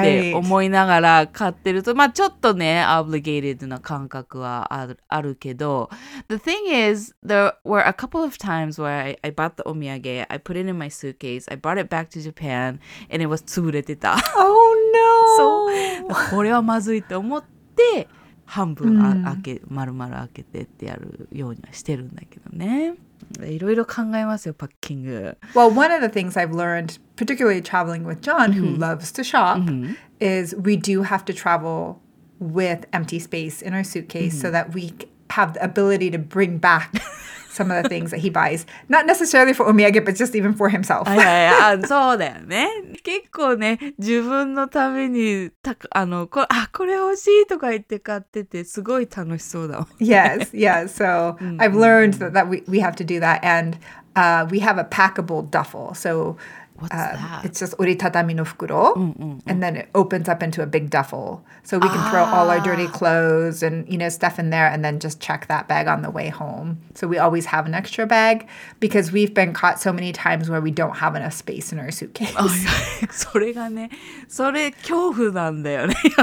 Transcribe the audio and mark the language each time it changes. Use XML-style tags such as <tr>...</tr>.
<ja>って思いながら買ってると、まあちょっとね obligated な感覚はあるけど、</ja> <en>The thing is there were a couple of times where I bought the お土産、 I put it in my suitcase, I brought it back to Japan and it was</en> <ja>潰れてた。</ja> <en>Oh no!</en> <ja>そう、これはまずいと思って半分開け、丸々開けてってやるようにはしてるんだけどね。いろいろ考えますよ、パッキング。</ja> <en>Well, one of the things I've learned, particularly traveling with John, who loves to shop, is we do have to travel with empty space in our suitcase so that we have the ability to bring back some of the things that he buys. Not necessarily for omiyage, but just even for himself.</en> <ja>はいはい、はい、そうだよね。結構ね、自分のためにたあのこあこれ欲しいとか言って買ってて、すごい楽しそうだもん、ね。</ja> <en>Yes, yes. So I've learned that we have to do that. And we have a packable duffel. So What's that? It's just</en> <ja>折りたたみの袋</ja> <en>and then it opens up into a big duffel. So we can throw all our dirty clothes and, you know, stuff in there and then just check that bag on the way home. So we always have an extra bag because we've been caught so many times where we don't have enough space in our suitcase. Oh, yeah.</en> <ja>それがね、それ恐怖なんだよね、</ja>